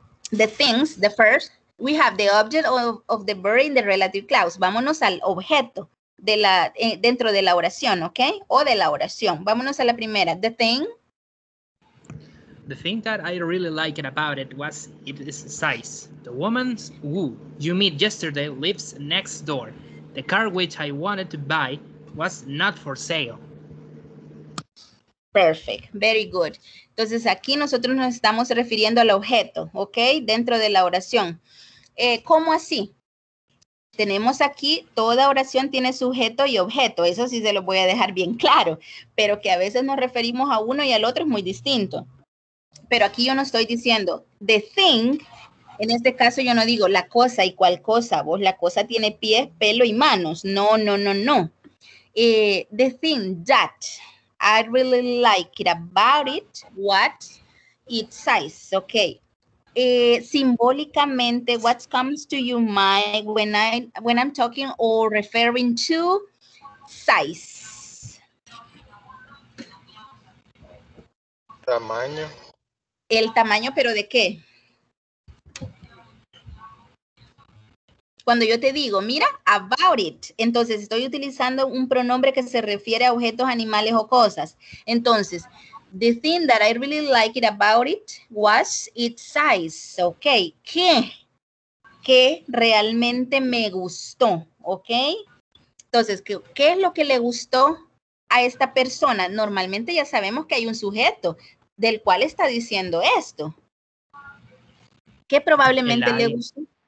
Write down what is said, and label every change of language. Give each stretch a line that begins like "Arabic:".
English: The things, the first, we have the object of the verb in the relative clause.
Spanish: Vámonos al objeto de la dentro de la oración, ¿ok? O de la oración. Vámonos a la primera.
English: The thing. The thing that I really liked about it was its size. The woman who you meet yesterday lives next door. The car which I wanted to buy was not for sale. Perfect. Very good.
Spanish: Entonces, aquí nosotros nos estamos refiriendo al objeto, ¿ok? Dentro de la oración. ¿Cómo así? Tenemos aquí, toda oración tiene sujeto y objeto. Eso sí se lo voy a dejar bien claro. Pero que a veces nos referimos a uno y al otro es muy distinto. Pero aquí yo no estoy diciendo
English: the thing.
Spanish: En este caso yo no digo la cosa y cuál cosa. Vos, la cosa tiene pies, pelo y manos. No, no, no, no.
English: The thing that I really like it about it, what its size, okay. Symbolicamente, what comes to your mind when I'm talking or referring to size?
Spanish: tamaño. ¿El tamaño, pero de qué? Cuando yo te digo, mira,
English: about it,
Spanish: entonces estoy utilizando un pronombre que se refiere a objetos, animales o cosas.
English: Entonces, the thing that I really liked about it was its size.
Spanish: Ok, ¿qué? ¿Qué realmente me gustó? Ok, entonces, ¿qué es lo que le gustó a esta persona? Normalmente ya sabemos que hay un sujeto del cual está diciendo esto. ¿Qué probablemente le gustó?